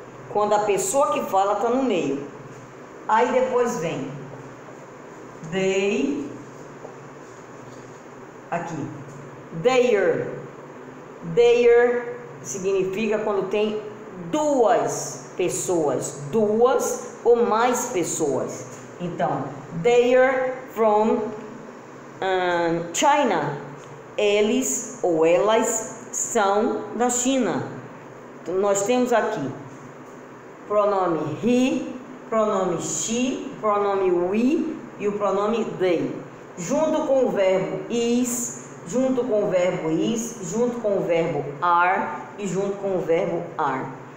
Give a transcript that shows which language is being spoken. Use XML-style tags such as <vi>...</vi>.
<pt>Quando a pessoa que fala está no meio. Aí depois vem they. Aqui. They're. They're significa quando tem duas pessoas. Duas ou mais pessoas.</pt> <en>Então, they're from China.</en> <pt>Eles ou elas são da China. Então, nós temos aqui pronome he, pronome she, pronome we e o pronome they. Junto com o verbo is, junto com o verbo is, junto com o verbo are e junto com o verbo are.</pt>